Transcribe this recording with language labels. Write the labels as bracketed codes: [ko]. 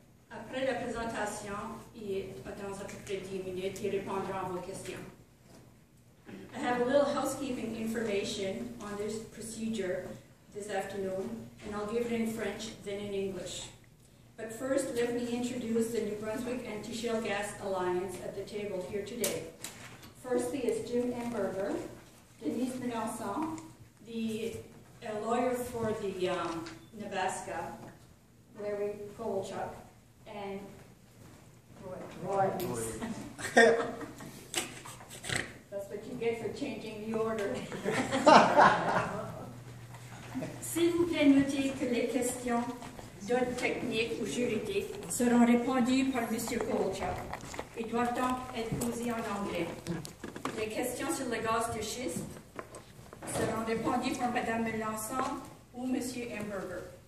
[fr] Après la présentation, dans à peu près 10 minutes, il répondra à vos questions. [en] I have a little housekeeping information on this procedure this afternoon, and I'll give it in French, then in English. But first, let me introduce the New Brunswick Anti-Shale Gas Alliance at the table here today. Firstly is Jim Emberger, Denise Melançon, a lawyer for the NBASGA, Larry Kowalczuk, and Roy. That's what you get for changing the order. [fr] S'il vous plaît, notez que les questions d'ordre technique ou juridique seront répondues par M. Kowalczuk. Ils doivent donc être posées en anglais. Les questions sur le gaz de schiste seront répondues par Mme Melançon ou M. Emberger.